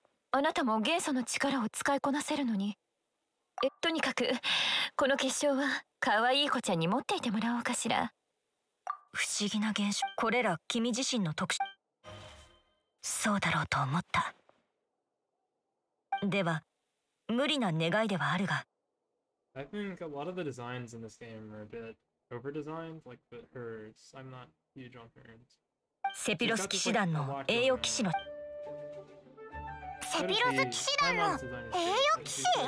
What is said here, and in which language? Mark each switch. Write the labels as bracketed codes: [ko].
[ja] あなたも元素の力を使いこなせるのに。とにかくこの結晶は可愛い子ちゃんに持っていてもらおうかしら。不思議な現象、これら君自身の特殊…そうだろうと思った。では無理な願いではあるが、 [en] I think a lot of the designs in this game are a bit over-designed, like the hers. I'm not huge on hers. [ja] セピロス騎士団の栄誉騎士の… セピロス騎士団の栄誉騎士？